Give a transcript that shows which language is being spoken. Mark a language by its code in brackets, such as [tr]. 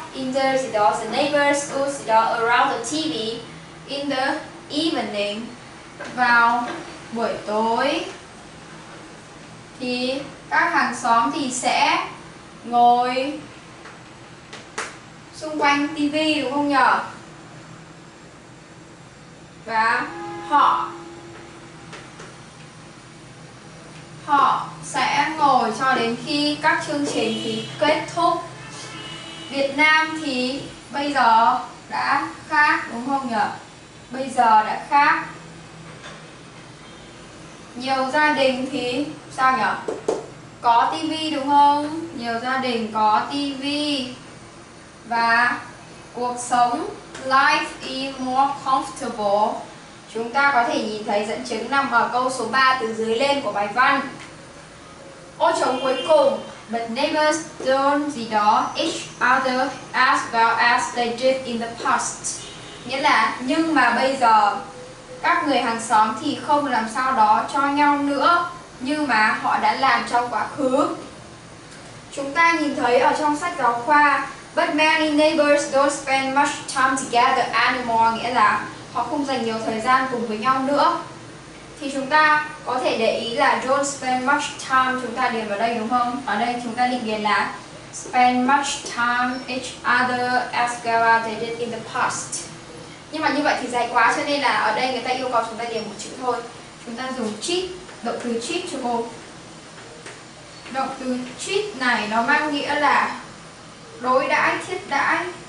[en] In the neighbor's school around the TV in the evening. [vi] Vào buổi tối thì các hàng xóm thì sẽ ngồi xung quanh TV đúng không nhở? Và họ sẽ ngồi cho đến khi các chương trình thì kết thúc. Việt Nam thì bây giờ đã khác đúng không nhở? Bây giờ đã khác. Nhiều gia đình thì sao nhở? Có tivi đúng không? Nhiều gia đình có tivi. Và cuộc sống, [en] life is more comfortable. [vi] Chúng ta có thể nhìn thấy dẫn chứng nằm ở câu số 3 từ dưới lên của bài văn. Ô trống cuối cùng. [en] But neighbors don't [vi] gì đó [en] each other as well as they did in the past. [vi] Nghĩa là nhưng mà bây giờ các người hàng xóm thì không làm sao đó cho nhau nữa như mà họ đã làm trong quá khứ. Chúng ta nhìn thấy ở trong sách giáo khoa, [en] but many neighbors don't spend much time together anymore, [vi] nghĩa là họ không dành nhiều thời gian cùng với nhau nữa. Thì chúng ta có thể để ý là [en] don't spend much time, [vi] chúng ta điền vào đây đúng không? Ở đây chúng ta định điền là [en] spend much time each other as well as they did in the past. [vi] Nhưng mà như vậy thì dài quá, cho nên là ở đây người ta yêu cầu chúng ta điền một chữ thôi. Chúng ta dùng treat, động từ treat cho cô. Động từ treat này nó mang nghĩa là đối đãi, thiết đãi.